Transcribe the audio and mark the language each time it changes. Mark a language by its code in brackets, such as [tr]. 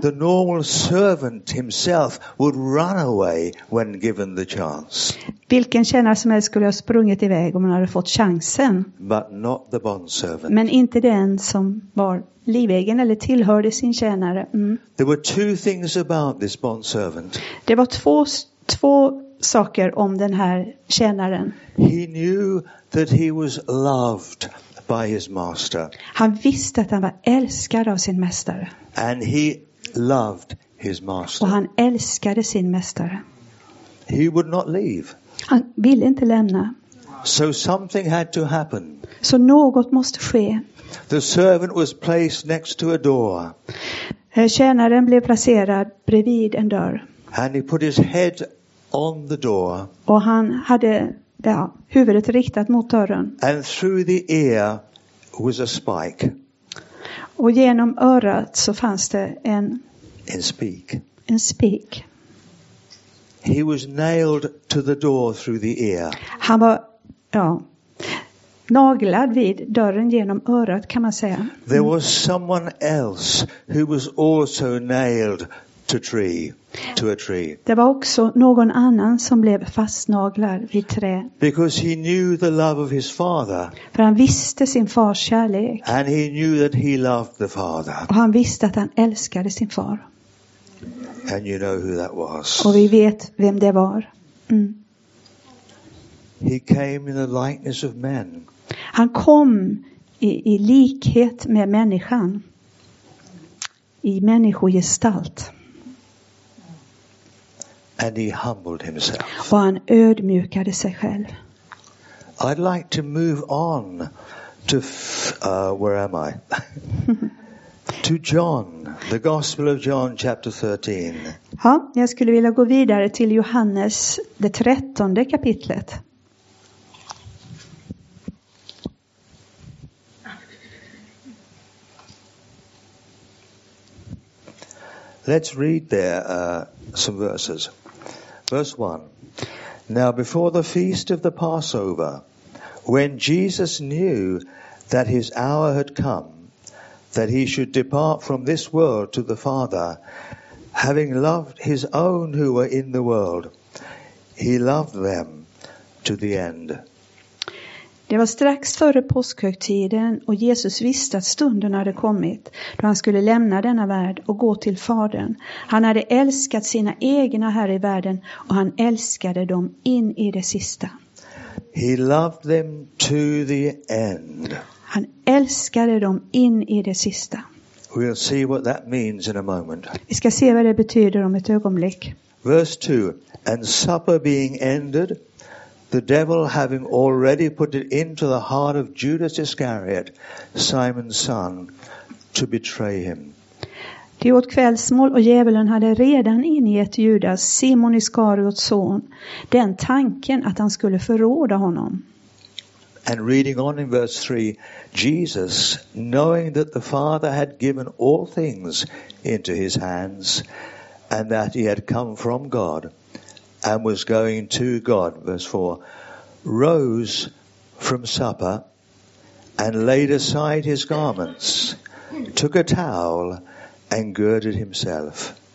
[en] The normal servant himself would run away when given the chance. [sv] Vilken tjänare som helst skulle ha sprungit iväg om han hade fått chansen. [en] But not the bond servant. [sv] Men inte den som var livegen eller tillhörde sin tjänare. [en] There were two things about this bond servant. [sv] Det var två saker om den här tjänaren. [en] He knew that he was loved by his master. [sv] Han visste att han var älskad av sin mästare. [en] And he loved his master. [sv] Och han älskade sin mästare. [en] He would not leave. [sv] Han ville inte lämna. [en] So something had to happen. [sv] Så något måste ske. [en] The servant was placed next to a door. [sv] Tjänaren blev placerad bredvid en dörr. [en] And he put his head on the door. [sv] Och han hade huvudet riktat mot dörren. [en] And through the ear was a spike. [sv] Och genom örat så fanns det en spik. En spik. [en] He was nailed to the door through the ear. [sv] Han var naglad vid dörren genom örat, kan man säga. [en] There was someone else who was also nailed to a tree. [sv] Det var också någon annan som blev fastnaglad vid trä. [en] Because he knew the love of his father. [sv] För han visste sin fars kärlek. [en] And he knew that he loved the father. [sv] Och han visste att han älskade sin far. [en] And you know who that was. [sv] Och vi vet vem det var. [en] He came in the likeness of men. [sv] Han kom i likhet med människan. I människogestalt. [en] And he humbled himself. [sv] Och han ödmjukade sig själv. [en] I'd like to move on to where am I? To John, the Gospel of John, chapter 13. [sv] Ja, jag skulle vilja gå vidare till Johannes, det 13:e kapitlet. [en] Let's read there some verses. Verse 1. Now before the feast of the Passover, when Jesus knew that his hour had come, that he should depart from this world to the Father, having loved his own who were in the world, he loved them to the end. [sv] Det var strax före påskhögtiden och Jesus visste att stunden hade kommit då han skulle lämna denna värld och gå till Fadern. Han hade älskat sina egna här i världen och han älskade dem in i det sista. [en] He loved them to the end. [sv] Han älskade dem in i det sista. [en] We'll see what that means in a moment. [sv] Vi ska se vad det betyder om ett ögonblick. [en] Verse 2. And supper being ended, the devil having already put it into the heart of Judas Iscariot, Simon's son, to betray him. [sv] Det åt kvällsmål och djävulen hade redan ingett Judas, Simon Iskariots son, den tanken att han skulle förråda honom. [en] And reading on in verse 3, Jesus, knowing that the Father had given all things into his hands, and that he had come from God and was going to God, verse 4, rose from supper and laid aside his garments, took a towel and girded himself.